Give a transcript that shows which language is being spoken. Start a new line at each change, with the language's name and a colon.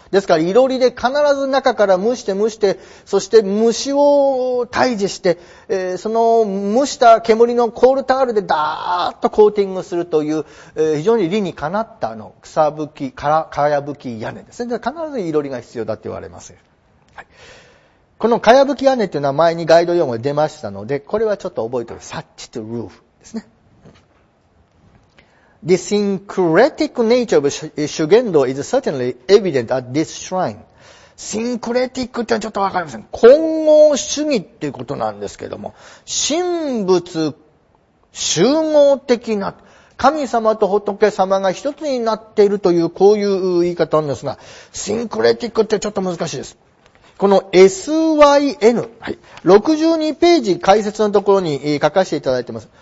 Japanese: ですからいろりで必ず中から蒸して蒸して、そして虫を退治して、その蒸した煙のコールタールでダーッとコーティングするという、非常に理にかなった草吹き、かやぶき屋根ですね。だから必ずいろりが必要だって言われます。はい。このかやぶき屋根というのは前にガイド用語が出ましたので、これはちょっと覚えておく。
English: Such to roof
Japanese: ですね。
English: The syncretic nature of Shugendo is certainly evident at this shrine.
Japanese: Syncretic ってちょっとわかりません。混合主義っていうことなんですけども、神仏集合的な、神様と仏様が一つになっているという、こういう言い方なんですが、Syncretic ってちょっと難しいです。この SYN、はい、62ページ解説のところに書かせていただいてます。